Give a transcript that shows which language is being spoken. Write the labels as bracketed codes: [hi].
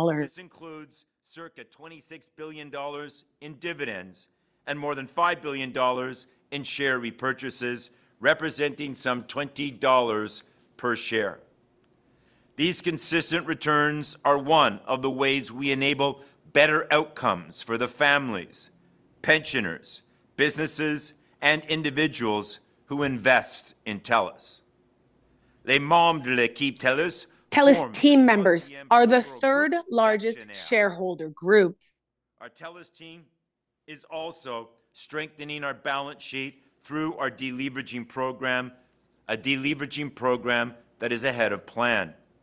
[en] This includes circa $26 billion in dividends and more than $5 billion in share repurchases, representing some $20 per share. These consistent returns are one of the ways we enable better outcomes for the families, pensioners, businesses, and individuals who invest in TELUS. [fr] Les membres de l'équipe TELUS, [en] TELUS team members are the third largest shareholder group. Our TELUS team is also strengthening our balance sheet through our deleveraging program, a deleveraging program that is ahead of plan.